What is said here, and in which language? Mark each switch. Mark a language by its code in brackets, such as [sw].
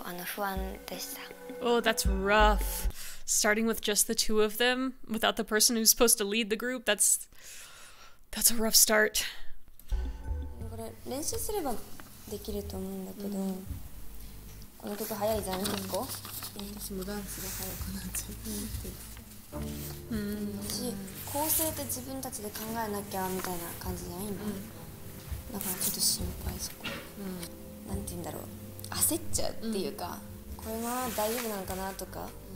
[ja] まずミッションが始まって最初の1週間ミーヒが日本に学校のために帰っていったので他のチームの人たちは全員4人とか3人とかメンバー全員で揃って練習してるんですけど私たちのチームはアヤカと私で2人で練習が思い通りに進まなかったりとかしたことがちょっと不安でした。 [en] Oh, that's rough. Starting with just the two of them, without the person who's supposed to lead the group, that's a rough start. [ja] これ練習すればできると思うんだけど、この曲早いじゃないですか。私も、ダンスが早くなっちゃう。うん。もし構成って自分たちで考えなきゃみたいな感じじゃないの。だからちょっと心配そこ。うん。なんて言うんだろう。焦っちゃうっていうか、これは大丈夫なんかなとか。